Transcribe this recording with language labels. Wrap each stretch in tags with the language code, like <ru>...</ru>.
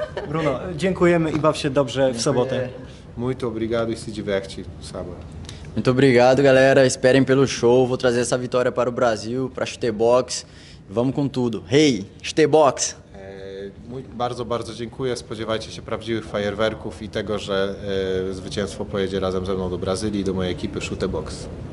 <pl>Bruno, dziękujemy i baw się dobrze w sobotę.</pl> <pt>Muito obrigado e se diverte sábado. Muito obrigado, galera. Esperem pelo show. Vou trazer essa vitória para o Brasil, para Chutebox. Vamos com tudo. Hey, Chutebox!</pt> <pl>Bardzo, bardzo dziękuję. Spodziewajcie się prawdziwych fajerwerków i tego, że zwycięstwo pojedzie razem ze mną do Brazylii, do mojej ekipy Shootbox.</pl>